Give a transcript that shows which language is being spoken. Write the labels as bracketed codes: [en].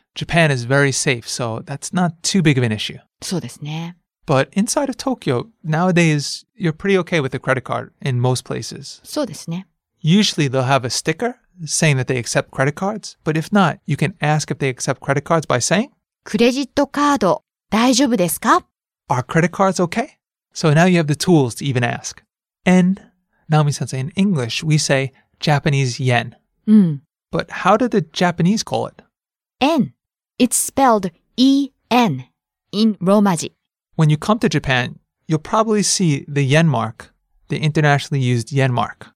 [en] Japan is very safe, so that's not too big of an issue. [ja] そうですね。 [en] But inside of Tokyo, nowadays, you're pretty okay with a credit card in most places. [ja] そうですね。 [en] Usually, they'll have a sticker saying that they accept credit cards. But if not, you can ask if they accept credit cards by saying, [ja] クレジットカード大丈夫ですか? [en] Are credit cards okay? So now you have the tools to even ask. And, Naomi-sensei, in English, we say Japanese yen. Mm. But how do the Japanese call it? En. It's spelled E-N in Romaji. When you come to Japan, you'll probably see the yen mark, the internationally used yen mark.